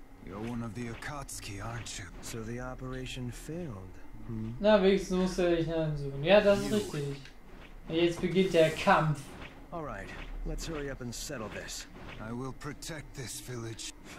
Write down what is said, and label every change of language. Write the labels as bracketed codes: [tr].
[en] You're one of the Akatsuki, aren't you? So the operation failed. [de] Na, wenigstens muss er dich ansuchen. Ja, das ist richtig. Jetzt beginnt der Kampf. [en] Alright, let's hurry up and settle this. I will protect this village.